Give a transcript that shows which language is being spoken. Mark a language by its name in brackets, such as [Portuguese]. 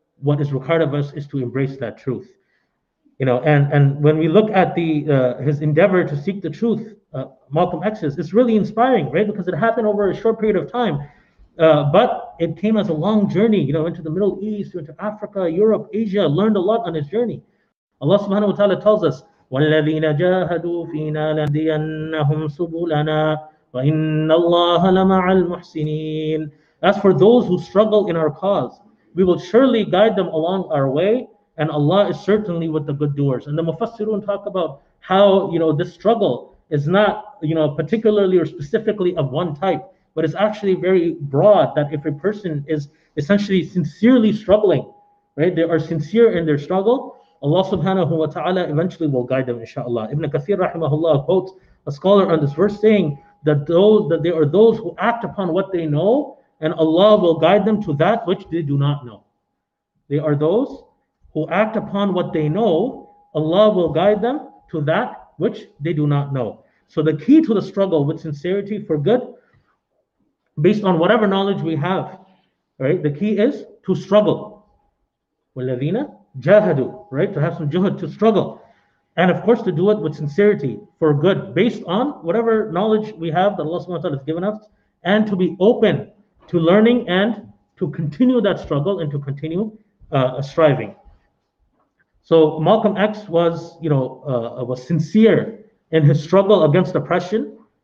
[English] What is required of us is to embrace that truth, you know. And when we look at his endeavor to seek the truth, Malcolm X's, it's really inspiring, right? Because it happened over a short period of time, but it came as a long journey, you know, into the Middle East, into Africa, Europe, Asia. Learned a lot on his journey. Allah Subhanahu wa Taala tells us, [Arabic] "وَالَّذِينَ جَاهَدُوا فِينَا لَنَهْدِيَنَّهُمْ سُبُلَنَا وَإِنَّ اللَّهَ لَمَعَ الْمُحْسِنِينَ." [English] As for those who struggle in our cause, we will surely guide them along our way, and Allah is certainly with the good doers. And the Mufassirun talk about how, you know, this struggle is not, you know, particularly or specifically of one type, but it's actually very broad, that if a person is essentially sincerely struggling, right, they are sincere in their struggle, Allah subhanahu wa ta'ala eventually will guide them, inshaAllah. Ibn Kathir rahimahullah quotes a scholar on this verse saying that there are those who act upon what they know, and Allah will guide them to that which they do not know. They are those who act upon what they know. Allah will guide them to that which they do not know. So the key to the struggle with sincerity for good, based on whatever knowledge we have, right? The key is to struggle. [Arabic] وَالَّذِينَ جَاهَدُوا, right? [English] To have some juhud, to struggle. And of course, to do it with sincerity for good, based on whatever knowledge we have that Allah subhanahu wa ta'ala has given us, and to be open to learning and to continue that struggle and to continue striving. So Malcolm X was, you know, was sincere in his struggle against oppression.